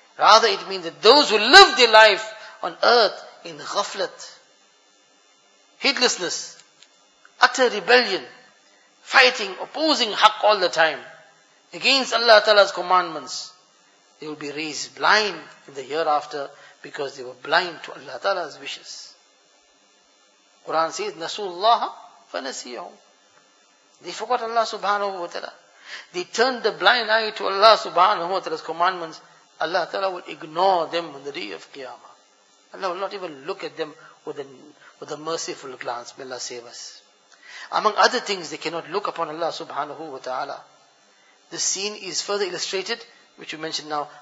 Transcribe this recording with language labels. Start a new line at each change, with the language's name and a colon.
English: Rather it means that those who live their life on earth in ghaflat, heedlessness, utter rebellion, fighting, opposing haqq all the time, against Allah Ta'ala's commandments, they will be raised blind in the hereafter because they were blind to Allah Ta'ala's wishes. Quran says,
Arabic: نَسُوا اللَّهَ فَنَسِيَهُمْ.
English: They forgot Allah subhanahu wa ta'ala. They turned the blind eye to Allah subhanahu wa ta'ala's commandments. Allah Ta'ala will ignore them on the day of Qiyamah. Allah will not even look at them with a merciful glance. May Allah save us. Among other things, they cannot look upon Allah subhanahu wa ta'ala. This scene is further illustrated, which we mentioned now.